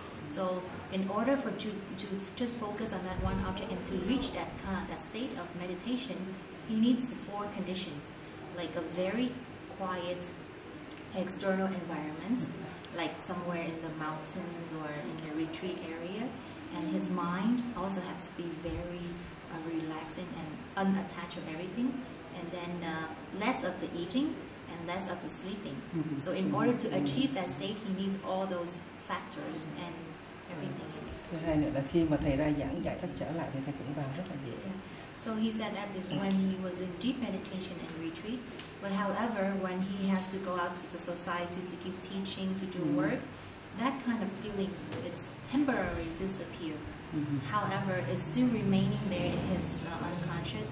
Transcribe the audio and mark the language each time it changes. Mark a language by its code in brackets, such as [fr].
[en] So in order for to just focus on that one object and to reach that kind of, that state of meditation, he needs four conditions, like a very quiet external environment, like somewhere in the mountains or in the retreat area, and his mind also has to be very relaxing and unattached of everything. And then less of the eating and less of the sleeping. So in order to achieve that state, he needs all those factors and everything else. [vi] Thứ hai nữa là khi mà thầy ra giảng giải thích trở lại thì thầy cũng vào rất là dễ. [en] So he said that is when he was in deep meditation and retreat. But however, when he has to go out to the society to keep teaching, to do work, that kind of feeling, it's temporarily disappeared. However, it's still remaining there in his unconscious.